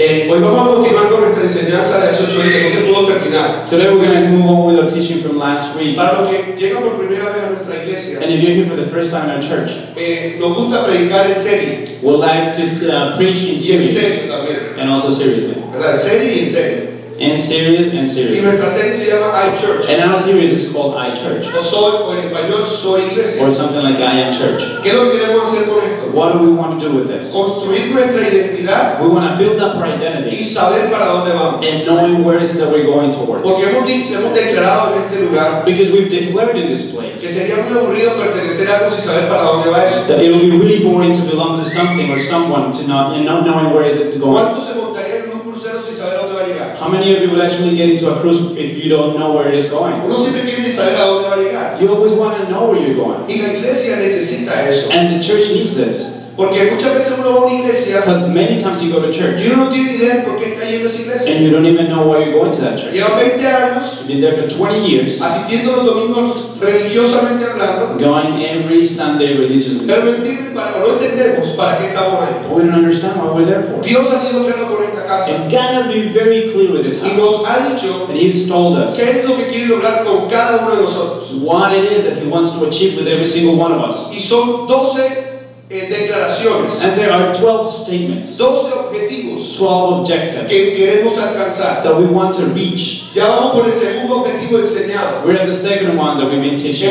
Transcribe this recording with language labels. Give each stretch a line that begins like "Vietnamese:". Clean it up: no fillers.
Spanish: Hoy vamos a continuar con nuestra enseñanza de hace 8 días, no se pudo terminar.
English: Today we're going to move on with our teaching from last week.
Spanish: Para los que llegan por primera vez a nuestra iglesia.
English: And if you're here for the first time in our church.
Spanish: Nos gusta predicar en serie.
English: We like to preach in series.
Spanish: Y en serio también.
English: And also seriously.
Spanish: ¿Verdad? Serie y en serio.
English: In series and series.
Spanish: Y nuestra serie se llama iChurch.
English: And our series is called iChurch. Or something like I Am Church.
Spanish: ¿Qué es lo que queremos hacer con esto?
English: What do we want to do with this?
Spanish: Construir nuestra identidad.
English: We want to build up our identity.
Spanish: Y saber para dónde vamos.
English: And knowing where is it that we're going towards.
Spanish: Porque hemos declarado en este lugar.
English: Because we've declared in this place.
Spanish: Que sería muy aburrido pertenecer a algo sin saber para dónde va eso.
English: That it will be really boring to belong to something or someone to not, and not knowing where is it going.
Spanish: ¿Cuánto se montaría en un crucero sin saber dónde va a llegar?
English: How many of you would actually get into a cruise if you don't know where it is going?
Spanish: Uno siempre quiere saber a dónde va a llegar.
English: You always want to know where you're going.
Spanish: Y la iglesia necesita eso.
English: And the church needs this.
Spanish: Porque muchas veces uno va a una iglesia.
English: Because many times you go to church.
Spanish: Y uno no tiene idea por qué está yendo a esa iglesia.
English: And you don't even know why you're going to that church.
Spanish: Llevo 20 años.
English: You've been there for 20 years.
Spanish: Asistiendo los domingos religiosamente hablando.
English: Going every Sunday religiously.
Spanish: Pero no entienden para, no entendemos para qué estamos ahí.
English: We don't understand what we're there for.
Spanish: Dios ha sido claro con esta casa.
English: And God has been very clear with this house.
Spanish: Y nos ha dicho.
English: And He's told us.
Spanish: ¿Qué es lo que quiere lograr con cada uno de nosotros?
English: What it is that He wants to achieve with every single one of us.
Spanish: Y son 12 declaraciones.
English: And there are 12 statements.
Spanish: 12 objetivos.
English: 12 objectives.
Spanish: Que queremos alcanzar.
English: That we want to reach.
Spanish: Ya vamos por el segundo objetivo enseñado.
English: We're at the second one that we've been teaching.